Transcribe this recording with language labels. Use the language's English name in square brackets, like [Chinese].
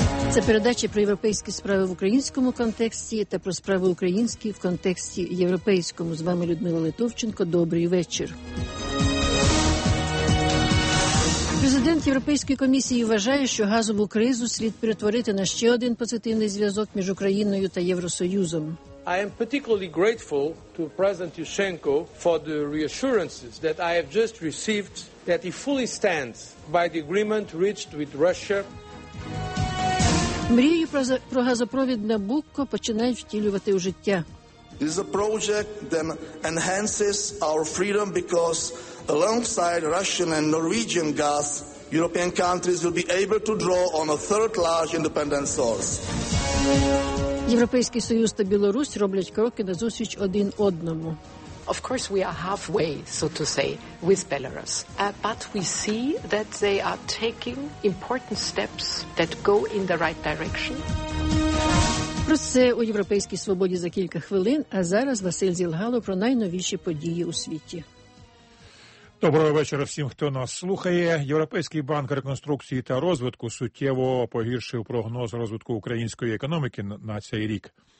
[Ukrainian] Це передача про європейські справи в українському контексті та про справи українські в контексті європейському. З вами Людмила Литовченко. Добрий вечір. Президент Європейської комісії вважає, що газову кризу слід перетворити на ще один позитивний зв'язок між Україною та Євросоюзом. [English] I am particularly grateful to President Yushchenko for the reassurances that I have just received that he fully stands by the agreement reached with Russia. [Ukrainian] Мрію про газопровід Набукко починають втілювати у життя. [English] This is a project that enhances our freedom because alongside Russian and Norwegian gas, European countries will be able to draw on a third large independent source. [Ukrainian] Європейський Союз та Білорусь роблять кроки назустріч один одному. [English] Of course, we are halfway, so to say, with Belarus. But we see that they are taking important steps that go in the right direction. [Ukrainian] Про це у Європейській свободі за кілька хвилин, а зараз Василь Зілгало про найновіші події у світі. Доброго вечора всім, хто нас слухає. Європейський банк реконструкції та розвитку суттєво погіршив прогноз розвитку української економіки на цей рік.